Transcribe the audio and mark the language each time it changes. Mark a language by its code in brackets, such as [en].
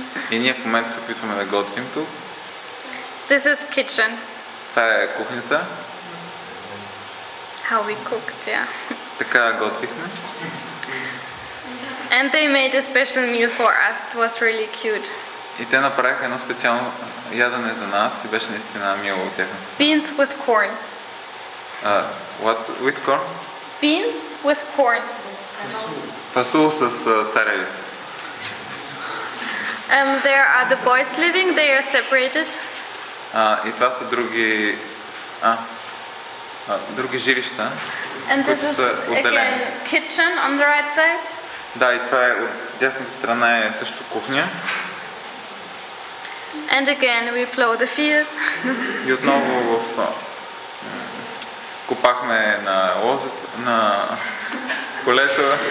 [bg] И ние в момента се опитваме да готвим тук. [en] This is kitchen. [bg] Та е кухнята. [en] How we cooked, yeah. [bg] Така готвихме. [en] And they made a special meal for us. It was really cute. [bg] И те направиха едно специално ядене за нас и беше наистина мило от тях. [en] Beans with corn. What with corn? Beans with corn. [bg] Фасул с царевица. [en] There are the boys living. They are separated. [bg] И това са други други жилища. [en] And this is again kitchen on the right side. [bg] Да, и това е от дясната страна е също кухня. [en] And again we plow the fields. [bg] И отново в купахме на лозето на полето.